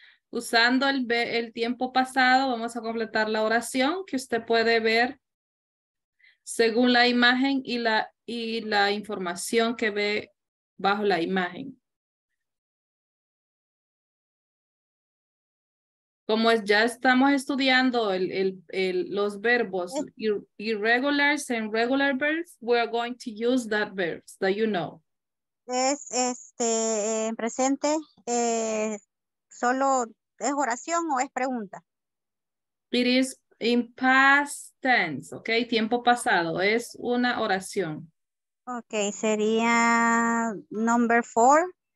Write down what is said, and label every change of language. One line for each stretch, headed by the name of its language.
Spanish: Usando el tiempo pasado, vamos a completar la oración que usted puede ver según la imagen y la información que ve bajo la imagen.
English: Como es, ya estamos estudiando los verbos irregulars and regular verbs, we're going to use that verbs that you know.
Spanish: Es presente, solo ¿es oración o es pregunta?
English: It is in past tense, okay, tiempo pasado, es una oración. Okay, sería number four.